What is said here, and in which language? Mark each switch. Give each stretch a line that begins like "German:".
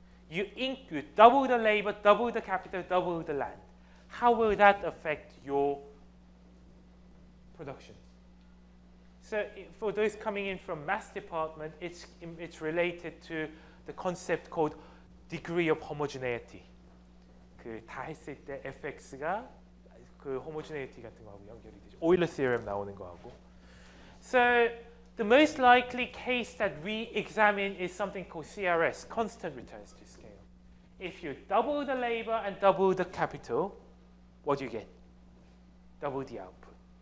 English: You double the labor, double the capital, double the land. How will that affect your production? So for those coming in from maths department, it's related to the concept called degree of homogeneity.
Korean: 그 다 했을 때 fx가 그 homogeneity 같은 거하고 연결이 되죠. Euler theorem 나오는 거하고.
English: So the most likely case that we examine is something called CRS, constant returns to scale. If you double the labor and double the capital, what do you get? Double the output.